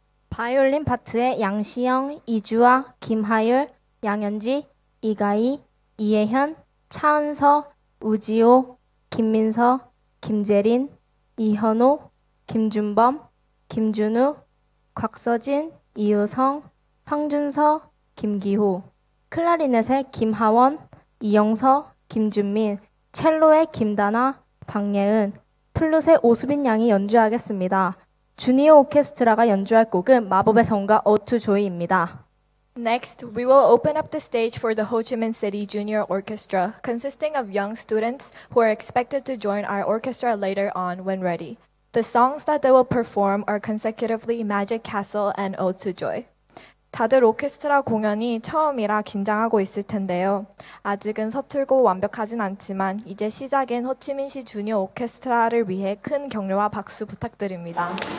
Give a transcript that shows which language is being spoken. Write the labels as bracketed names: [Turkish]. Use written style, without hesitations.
[Korean] 바이올린 파트에 양시영, 이주아, 김하율, 양현지, 이가희, 이혜현, 차은서, 우지호, 김민서, 김재린, 이현호, 김준범, 김준우, 곽서진, 이우성, 황준서, 김기호, 클라리넷의 김하원, 이영서, 김준민, 첼로의 김다나, 박예은, 플룻의 오수빈 양이 연주하겠습니다. 주니어 오케스트라가 연주할 곡은 마법의 성과 어투 조이입니다. [English] Next, we will open up the stage for the Ho Chi Minh City Junior Orchestra, consisting of young students who are expected to join our orchestra later on when ready. The songs that they will perform are consecutively Magic Castle and Ode to Joy. [Korean] 다들 오케스트라 공연이 처음이라 긴장하고 있을 텐데요. 아직은 서툴고 완벽하진 않지만 이제 시작인 호치민시 주니어 오케스트라를 위해 큰 격려와 박수 부탁드립니다.